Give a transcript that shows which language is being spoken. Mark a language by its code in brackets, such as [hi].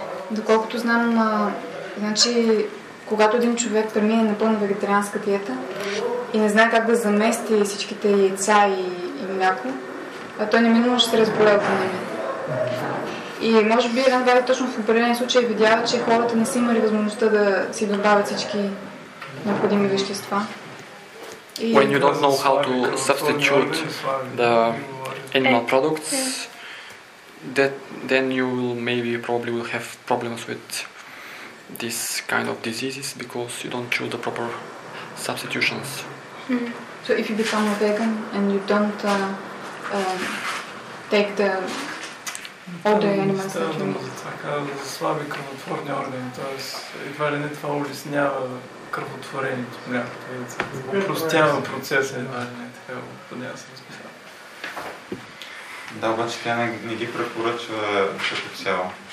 [bg] Доколкото знам, значи когато един човек премине напълно вегетарианска диета и не знае как да замести всичките яйца и мляко, а той неминуемо ще се разболее от анемия. И може би една вега точно в определен случай видява, че хората не са имали възможността да си добавят всички необходими вещества. [en] When you don't know how to substitute the animal products, that then you will maybe probably will have problems with this kind of diseases because you don't choose the proper substitutions. Mm-hmm. So if you become a vegan and you don't take the all the animals that you need. [bg] Слаби кръвотворни органи, т.е. едва ли не това улеснява кръвотворението, някакво лице. Упростява процеса, едва ли не, така поне аз разписал. Да, обаче тя не ги препоръчва като цяло.